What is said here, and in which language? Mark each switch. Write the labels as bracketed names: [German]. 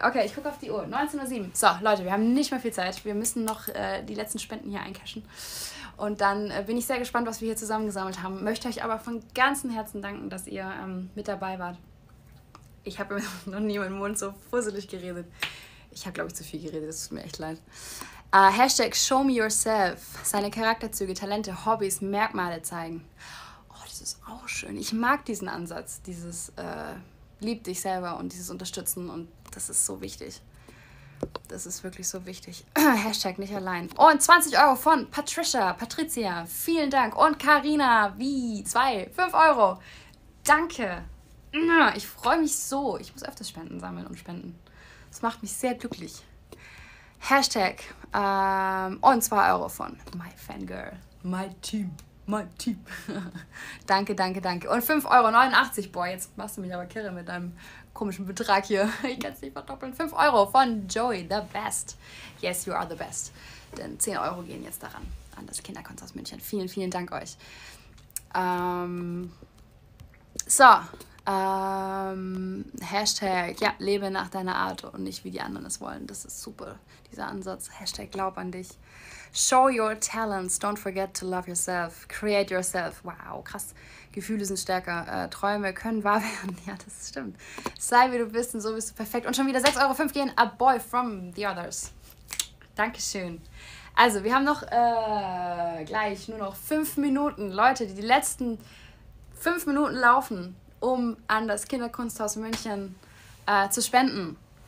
[German] Okay, ich gucke auf die Uhr. 19:07 Uhr. So, Leute, wir haben nicht mehr viel Zeit. Wir müssen noch die letzten Spenden hier eincashen. Und dann bin ich sehr gespannt, was wir hier zusammengesammelt haben. Möchte euch aber von ganzem Herzen danken, dass ihr mit dabei wart. Ich habe noch nie meinen Mund so fusselig geredet. Ich habe, glaube ich, zu viel geredet. Es tut mir echt leid. [English] Hashtag Show Me Yourself. [German] Seine Charakterzüge, Talente, Hobbys, Merkmale zeigen. Oh, das ist auch schön. Ich mag diesen Ansatz, dieses Lieb dich selber und dieses Unterstützen, und das ist so wichtig. Das ist wirklich so wichtig. Hashtag nicht allein. Und 20 € von Patricia. Vielen Dank. Und Karina. Wie? 2. 5 €. Danke. Ich freue mich so. Ich muss öfters Spenden sammeln und spenden. Das macht mich sehr glücklich. Hashtag. Und 2 € von My Fangirl. My Team. Mein Team. Danke, danke, danke. Und 5,89 €. Boah, jetzt machst du mich aber kirre mit deinem komischen Betrag hier. Ich kann es nicht verdoppeln. 5 € von Joey, the best. [English] Yes, you are the best. [German] Denn 10 € gehen jetzt daran, an das Kinderkonzert aus München. Vielen, vielen Dank euch. Hashtag, ja, lebe nach deiner Art und nicht wie die anderen es wollen. Das ist super, dieser Ansatz. Hashtag, glaub an dich. [English] Show your talents, don't forget to love yourself, create yourself. [German] Wow, krass. Gefühle sind stärker. Träume können wahr werden. Ja, das stimmt. Sei wie du bist und so bist du perfekt. Und schon wieder 6,05 € gehen. [English] A boy from the others. Dankeschön. [German] Also, wir haben noch gleich nur noch 5 Minuten. Leute, die letzten 5 Minuten laufen, um an das Kinderkunsthaus München zu spenden.